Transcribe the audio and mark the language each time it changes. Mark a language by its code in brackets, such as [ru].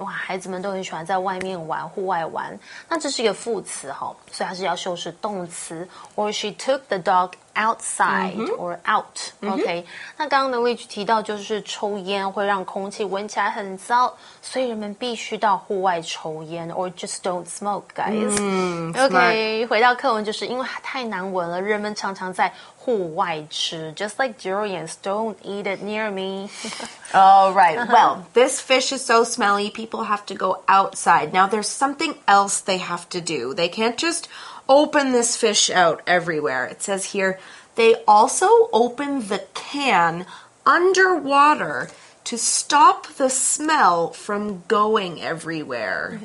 [zh] 哇，孩子们都很喜欢在外面玩，户外玩。那这是一个副词，所以它是要修饰动词。 [en] Or she took the dog outside、mm-hmm. or out. Okay,、mm-hmm. [zh] 那刚刚的例句提到就是抽烟会让空气闻起来很糟，所以人们必须到户外抽烟。 [en] Or just don't smoke, guys.、 Mm-hmm. Okay,、Smart. [zh] 回到课文，就是因为它太难闻了，人们常常在户外吃。 [en] Just like durians, don't eat it near me. All right. Well, this fish is so smelly, people have to go outside. Now, there's something else they have to do. They can't just... open this fish out everywhere. It says here, they also open the can underwater to stop the smell from going everywhere.